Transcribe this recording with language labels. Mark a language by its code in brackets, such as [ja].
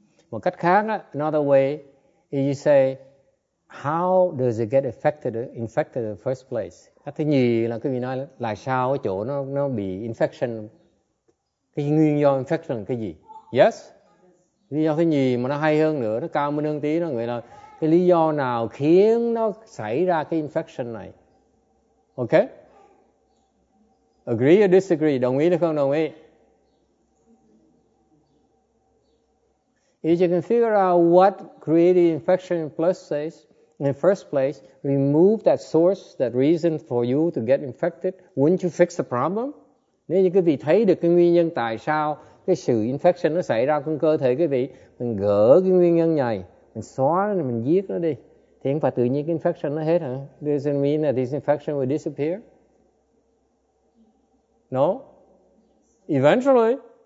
[vi] Một cách khác, [en] another way, you say, how does it get infected in the first place? [vi] Cách thứ nhì là quý vị nói là sao cái chỗ nó bị infection? Cái nguyên do infection là cái gì? [en] Yes? [vi] Lý do thứ nhì mà nó hay hơn nữa, nó cao hơn một tí, nó gọi là cái lý do nào khiến nó xảy ra cái infection này? [en] Okay? Agree or disagree? [vi] Đồng ý hay không đồng ý? [en] If you can figure out what created infection in the first place, remove that source, that reason for you to get infected, wouldn't you fix the problem? [vi] Nếu như quý vị thấy được cái nguyên nhân tại sao cái sự infection nó xảy ra trong cơ thể quý vị, mình gỡ cái nguyên nhân này, mình xóa nó, mình giết nó đi, thì không phải tự nhiên cái infection nó hết hả? [en] Doesn't mean that this infection will disappear? No? Eventually?